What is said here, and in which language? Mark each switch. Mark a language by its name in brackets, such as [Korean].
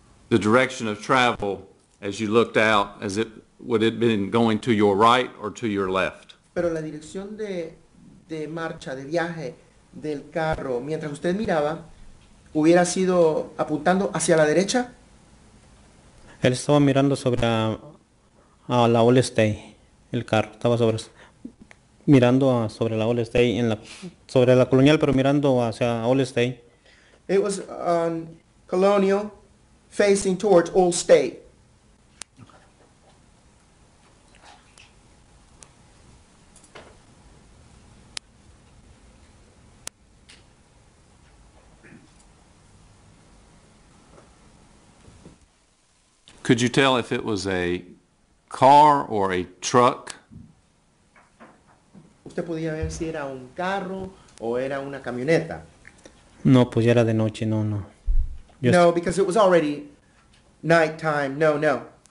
[English] The direction of travel as you looked out, as it would have been going to your right or to your left? [Spanish] Pero la dirección de marcha, de viaje del carro, mientras usted miraba, hubiera sido apuntando hacia la derecha? Él estaba mirando sobre a la Old State, el carro. Estaba mirando sobre la Old State, sobre la Colonial, pero mirando hacia Old State. [English] It was on Colonial, facing towards Old State. Could you tell if it was a car or a truck? [Spanish] ¿Usted podía ver si era un carro o era una camioneta? No, pues era de noche, no. [English] Just... No, because it was already night time. No.